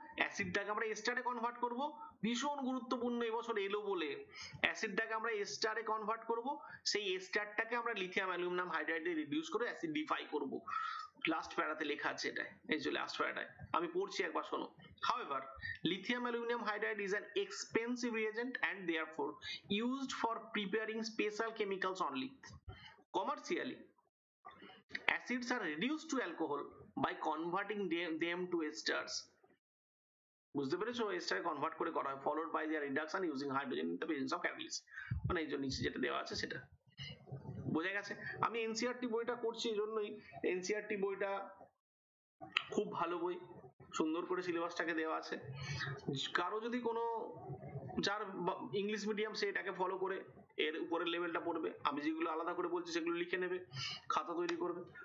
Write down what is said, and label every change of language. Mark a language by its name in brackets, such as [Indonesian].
[Bangla] অ্যাসিডটাকে আমরা এস্টারে কনভার্ট করব, ভীষণ গুরুত্বপূর্ণ এবছর এলো বলে অ্যাসিডটাকে আমরা এস্টারে কনভার্ট করব, সেই এস্টারটাকে আমরা লিথিয়াম অ্যালুমিনিয়াম হাইড্রাইডে রিডিউস করে অ্যাসিডিফাই করব। লাস্ট প্যারাতে লেখা আছে এটা, এই যে লাস্ট প্যারাটায় আমি পড়ছি একবার শোনো। [English] However lithium aluminium hydride is an expensive reagent and therefore used for preparing special chemicals only commercially. Acids are reduced to alcohol by converting them to esters. [Bangla] বুঝতে পেরেছো? এস্টার কনভার্ট করে করা হয়, [English] followed by their reduction using hydrogen in the presence of catalyst. [Bangla] মানে এই জন্য নিচে যেটা দেওয়া আছে সেটা বোঝা গেছে? আমি NCERT বইটা করছি এই জন্যই, NCERT বইটা খুব ভালো বই, সুন্দর করে সিলেবাসটাকে দেওয়া আছে। কারো যদি কোনো যার ইংলিশ মিডিয়াম সে এটাকে ফলো করে এর উপরে লেভেলটা পড়বে, আমি যেগুলো আলাদা করে বলছি সেগুলো লিখে নেবে, খাতা তৈরি করবে।